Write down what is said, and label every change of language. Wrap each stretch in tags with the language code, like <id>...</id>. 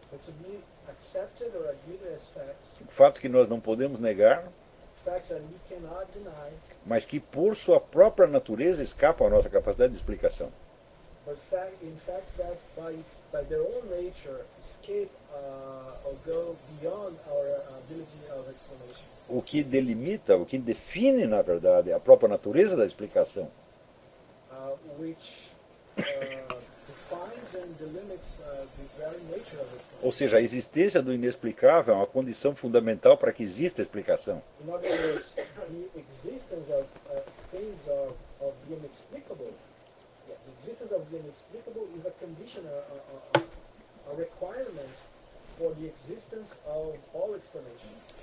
<en>But to be accepted or agreed as facts,</en> <pt>fatos que nós não podemos negar,</pt> <en>facts that we cannot deny,</en> <pt>mas que por sua própria natureza escapam à nossa capacidade de explicação.</pt> <en>But in fact, that by their own nature, escape or go beyond our ability of explanation.</en> <pt>O que delimita, o que define, na verdade, a própria natureza da explicação.</pt> <en>Which defines and delimits the very nature of explanation.</en> <pt>Ou seja, a existência do inexplicável é uma condição fundamental para que exista a explicação.</pt> <en>In other words, the existence of things of the inexplicable. The existence of the inexplicable is a condition, a requirement for the existence of all explanation.</en>